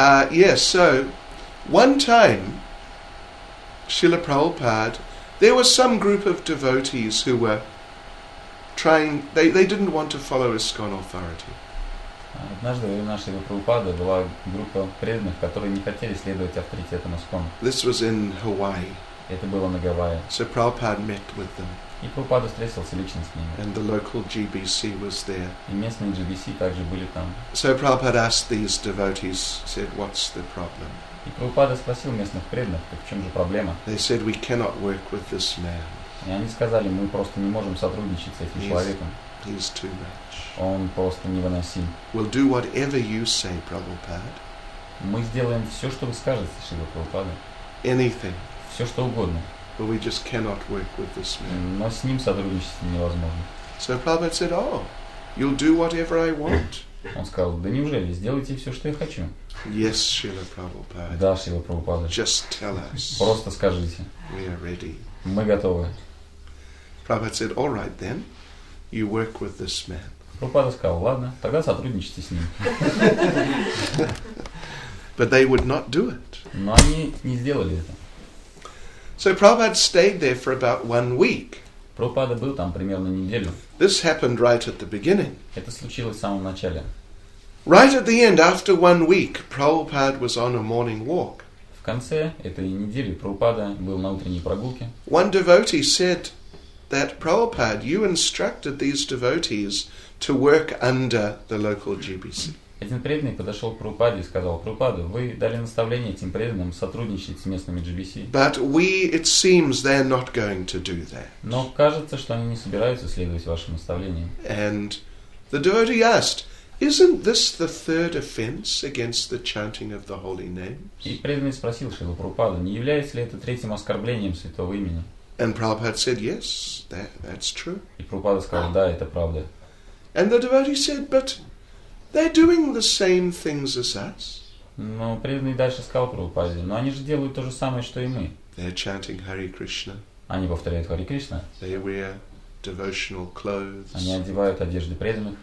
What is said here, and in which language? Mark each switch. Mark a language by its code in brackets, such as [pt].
[en] Yes, so one time, Srila Prabhupada, there was some group of devotees who were trying, they didn't want to follow ISKCON authority. [ru] Однажды у нашего Прабхупады была группа преданных, которые не хотели следовать авторитетам ISKCON. [en] This was in Hawaii. [ru] Это было на Гавайях. [en] So Prabhupada met with them. [ru] И Прабхупада встретился лично с ними. [en] And the local GBC was there. [ru] И местные GBC также были там. [en] So Prabhupada asked these devotees, said, "What's the problem?" [ru] И Прабхупада спросил местных преданных, в чем же проблема? [en] They said, "We cannot work with this man." [ru] И они сказали, мы просто не можем сотрудничать с этим человеком. [en] He's too much. [ru] Он просто невыносим. [en] We'll do whatever you say, Prabhupada. [ru] Мы сделаем все, что вы скажете, Шрила Прабхупада. [en] Anything. [ru] Все что угодно. [en] But we just cannot work with this man. [ru] Но с ним сотрудничать невозможно. [en] So Prabhupada said, "Oh, You'll do whatever I want. [ru] Он сказал: да неужели, сделайте все, что я хочу. [en] Yes, Srila Prabhupada. [ru] Да, Srila Prabhupada. [en] Just tell us. [ru] Просто скажите. [en] We are ready. [ru] Мы готовы. [en] Prabhupada said, all right then, you work with this man. [ru] Прабхупада сказал: ладно, тогда сотрудничайте с ним. [en] But they would not do it. [ru] Но они не сделали это. [en] So Prabhupada stayed there for about 1 week. [ru] Прабхупада был там примерно неделю. [en] This happened right at the beginning. [ru] Это случилось в самом начале. [en] Right at the end, after 1 week, Prabhupada was on a morning walk. [ru] В конце этой недели Прабхупада был на утренней прогулке. [en] One devotee said that Prabhupada, you instructed these devotees to work under the local GBC. [ru] Один преданный подошел к Прабхупаде и сказал: Прабхупада, вы дали наставление этим преданным сотрудничать с местными GBC. [en] But we, it seems, they're not going to do that. [ru] Но кажется, что они не собираются следовать вашим наставлениям. [en] And the devotee asked, isn't this the third offense against the chanting of the holy names? [ru] И преданный спросил Шрилу Прабхупаду, не является ли это третьим оскорблением святого имени? [en] And Prabhupada said, yes, that's true. [ru] И Прабхупада сказал: да, это правда. [en] And the devotee said, but they're doing the same things as us. [ru] Но преданный дальше сказал Прабхупаде, но они же делают то же самое, что и мы. [en] They're chanting Hare Krishna. [ru] Они повторяют Hare Krishna. [en] They wear devotional clothes. [ru] Они одевают одежды преданных.